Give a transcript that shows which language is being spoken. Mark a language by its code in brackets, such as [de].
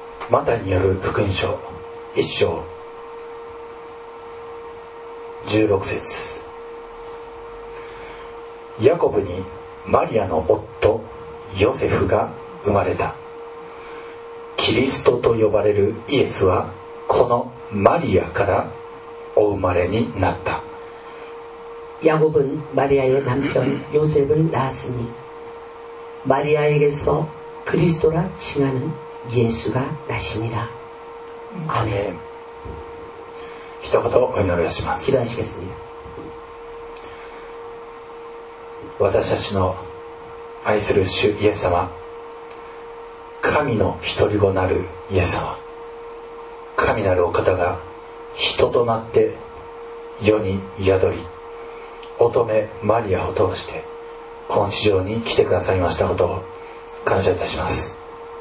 [ja] マタイによる福音書1章16節、ヤコブにマリアの夫ヨセフが生まれた。キリストと呼ばれるイエスはこのマリアからお生まれになった。 [ko] 야곱은마리아의남편요셉을낳았으니마리아에게서그리스도라칭하는예수가나시니라 [ja] 아멘一言お祈りをします祈願します私たちの愛する主イエス様神の一人子なるイエス様神なるお方が人となって世に宿り乙女マリアを通してこの地上に来てくださいましたことを感謝いたします。